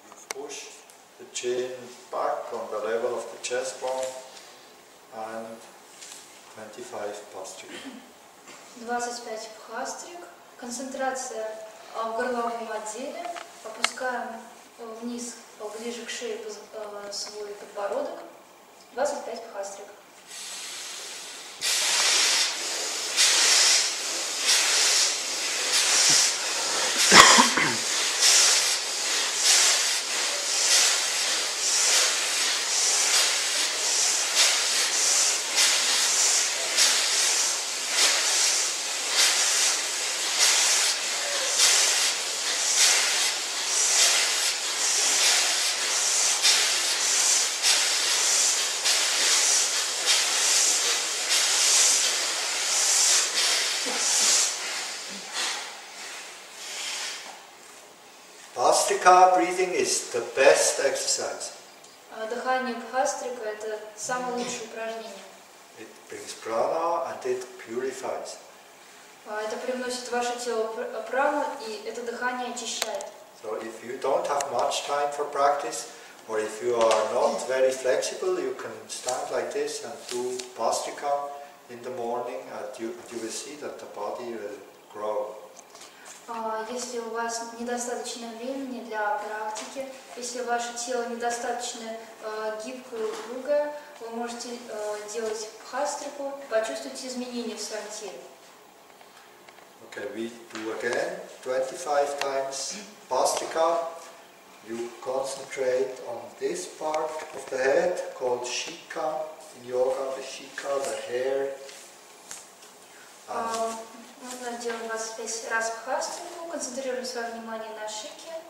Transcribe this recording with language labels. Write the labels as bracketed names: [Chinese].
[English] Push the chin back on the level of the chest bone and 25 пастрик. [Russian] 25 пастрик. Концентрация в горловом отделе. Опускаем вниз, поближе к шее свой подбородок. 25 пастрик. [English] Пхастрика breathing is the best exercise. [Russian] Дыхание пхастрика – это самое лучшее упражнение. [English] It brings prana and it purifies. [Russian] Это приносит ваше тело прану, и это дыхание очищает. [English] So if you don't have much time for practice, or if you are not very flexible, you can stand like this and do пхастрика in the morning, and you will see that the body will grow. [Russian] Если у вас недостаточно времени для практики, если ваше тело недостаточно гибкое и упругое, вы можете делать пхастрику, почувствуйте изменения в своем теле. [English] Okay, we do again 25 times пхастрика. You concentrate on this part of the head called shika in yoga, the shika, the hair. [Russian] Нужно делать 25 раз пхастрику, концентрируем свое внимание на шике.